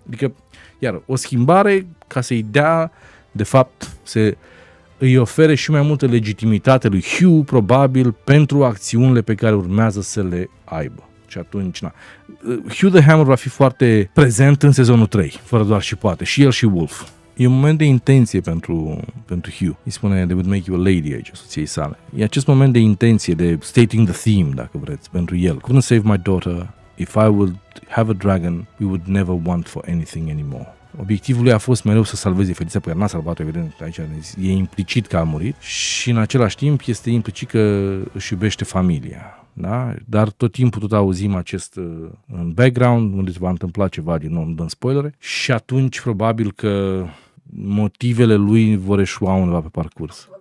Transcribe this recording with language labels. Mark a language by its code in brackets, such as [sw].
[ro] Adică, iar o schimbare ca să-i dea, de fapt, să îi ofere și mai multă legitimitate lui Hugh, probabil, pentru acțiunile pe care urmează să le aibă. Și atunci, na. Hugh the Hammer va fi foarte prezent în sezonul 3, fără doar și poate, și el și Wolf. E un moment de intenție pentru Hugh. Îi spune, [en] they would make you a lady [ro] aici, soției sale. E acest moment de intenție, de [en] stating the theme, [ro] dacă vreți, pentru el. [en] Couldn't save my daughter. If I would have a dragon, we would never want for anything anymore. [ro] Obiectivul lui a fost mereu să salveze fetița, pe care n-a salvat-o, evident, aici e implicit că a murit. Și în același timp este implicit că își iubește familia. Da? Dar tot timpul tot auzim acest în background, unde se va întâmpla ceva, din nou nu dăm spoilere, și atunci probabil că motivele lui vor eșua undeva pe parcurs.